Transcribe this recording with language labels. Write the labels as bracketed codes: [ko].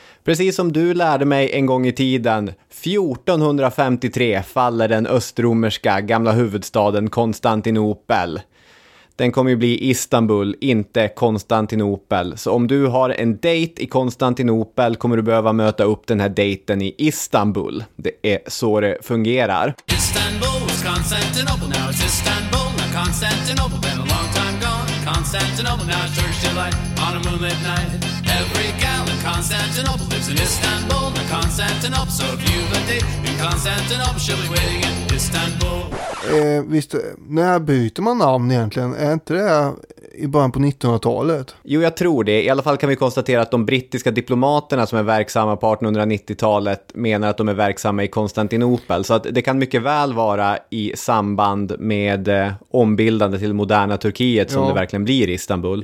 [sv] Precis som du lärde mig en gång i tiden, 1453 faller den östromerska gamla huvudstaden Konstantinopel. den kommer ju bli Istanbul, inte Konstantinopel. Så om du har en dejt i Konstantinopel kommer du behöva möta upp den här dejten i Istanbul. Det är så det fungerar. [en] Istanbul was Constantinople, now it's Istanbul, now Constantinople, been a long time gone. Constantinople, now it's Thursday light, on a moonlit night. Every gal in Constantinople lives in Istanbul, now Constantinople, so if you've a date in Constantinople, she'll be waiting in Istanbul. [sv] Visst, när byter man namn egentligen? Är inte det i början på 1900-talet? Jo, jag tror det. I alla fall kan vi konstatera att de brittiska diplomaterna som är verksamma på 1890-talet menar att de är verksamma i Konstantinopel. Så att det kan mycket väl vara i samband med ombildande till moderna Turkiet som ja. Det verkligen blir i Istanbul.